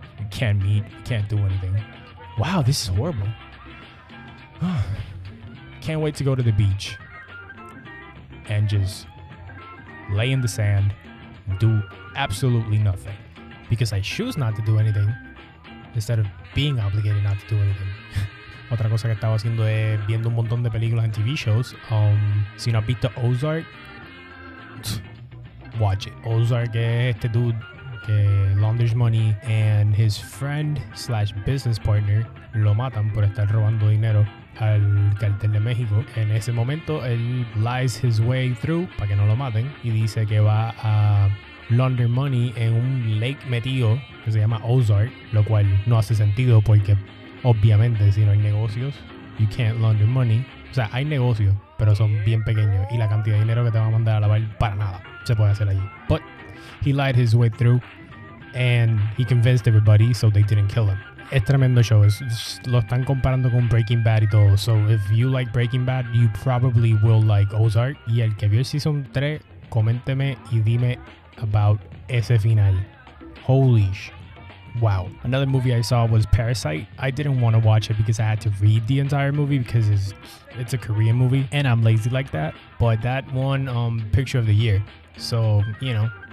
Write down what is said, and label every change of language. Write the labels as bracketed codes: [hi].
[en] Can't meet, can't do anything. Wow, this is horrible. Can't wait to go to the beach and just lay in the sand and do absolutely nothing, because I choose not to do anything instead of being obligated not to do anything. [es] Otra cosa que estaba haciendo es viendo un montón de películas en [en] TV shows. [es] Si no has visto Ozark, [en] watch it. [es] Ozark es este [en] dude [es] que [en] launders money, and his friend slash business partner [es] lo matan por estar robando dinero al cartel de México. En ese momento, él [en] lies his way through [es] para que no lo maten, y dice que va a [en] launder money [es] en un [en] lake [es] metido que se llama Ozark, lo cual no hace sentido porque obviamente si no hay negocios, [en] you can't launder money. [es] O sea, hay negocios, pero son bien pequeños, y la cantidad de dinero que te va a mandar a lavar para nada se puede hacer allí. [en] But he lied his way through, and he convinced everybody, so they didn't kill him. [es] Es tremendo show. Lo están comparando con Breaking Bad y todo. [en] So if you like Breaking Bad, you probably will like Ozark. [es] Y el que vio [en] season 3, [es] coménteme y dime [en] about [es] ese final. [en] Holy sh! Wow. Another movie I saw was Parasite. I didn't want to watch it because I had to read the entire movie, because it's a Korean movie, and I'm lazy like that. But that won Picture of the Year. So, you know.